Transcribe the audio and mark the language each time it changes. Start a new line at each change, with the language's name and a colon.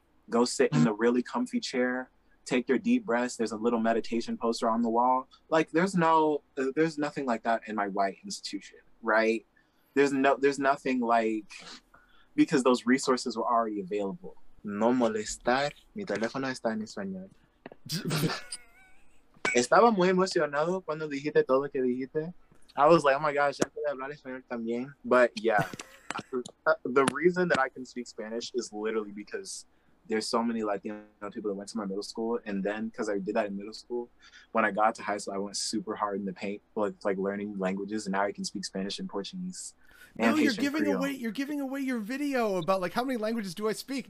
English: Go sit in the really comfy chair. Take your deep breaths. There's a little meditation poster on the wall. Like, there's nothing like that in my white institution, right? There's nothing like, because those resources were already available.
Spanish: No molestar. Mi teléfono está en español. Estaba muy emocionado cuando dijiste todo lo que dijiste.
English: I was like, oh my gosh,
Spanish: ya puedo hablar español también.
English: But yeah, the reason that I can speak Spanish is literally because there's so many Latino people that went to my middle school. And then, because I did that in middle school, when I got to high school, I went super hard in the paint, like learning languages. And now I can speak Spanish and Portuguese. No, you're giving away your video about like how many languages do I speak?